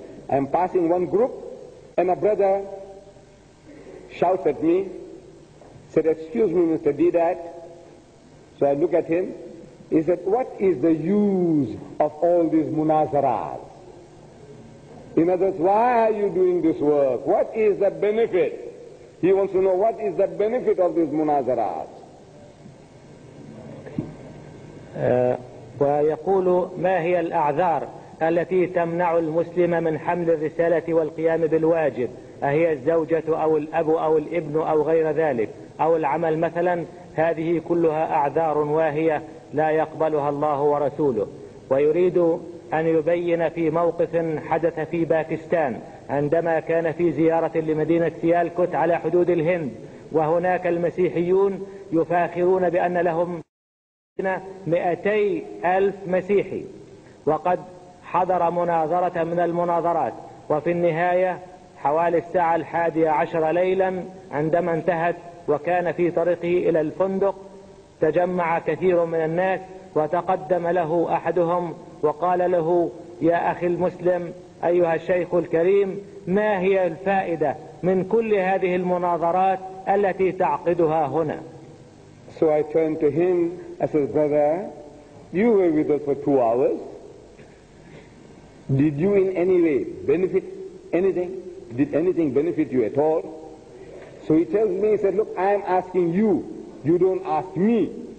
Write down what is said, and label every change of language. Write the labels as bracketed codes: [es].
[en] I'm passing one group, and a brother shouts at me, said, excuse me, Mr. Didat. So I look at him. He said, what is the use of all these munazaras? In other words, why are you doing this work? What is the benefit? He wants to know, what is the benefit of these munazaras? [ar] ويقول, ما هي الأعذار التي تمنع المسلم من حمل الرسالة والقيام بالواجب؟ أهي الزوجة أو الأب أو الابن أو غير ذلك أو العمل مثلا؟ هذه كلها أعذار واهية لا يقبلها الله ورسوله. ويريد أن يبين في موقف حدث في باكستان عندما كان في زيارة لمدينة سيالكوت على حدود الهند, وهناك المسيحيون يفاخرون بأن لهم 200,000 مسيحي, وقد حضر مناظرة من المناظرات. وفي النهاية حوالي الساعة 11 ليلا عندما انتهت وكان في طريقه إلى الفندق, تجمع كثير من الناس وتقدم له أحدهم وقال له, يا أخي المسلم, أيها الشيخ الكريم, ما هي الفائدة من كل هذه المناظرات التي تعقدها هنا؟ [en] So I turned to him. I said, brother, you were with us for 2 hours. Did you in any way benefit anything? Did anything benefit you at all? So he tells me, he said, look, I am asking you. You don't ask me.